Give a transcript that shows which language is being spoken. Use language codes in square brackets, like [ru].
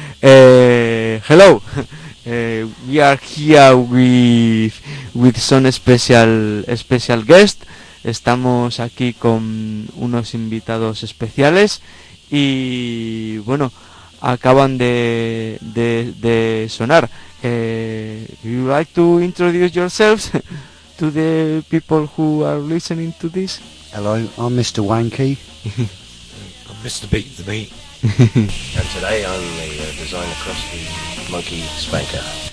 [en] Hello, we are here with some special guest. [es] Estamos aquí con unos invitados especiales y bueno, acaban de sonar. [en] You like to introduce yourselves to the people who are listening to this? Hello, I'm Mr. Wanky. I'm Mr. Beat the Beat. And today I'm the designer crusty monkey spanker.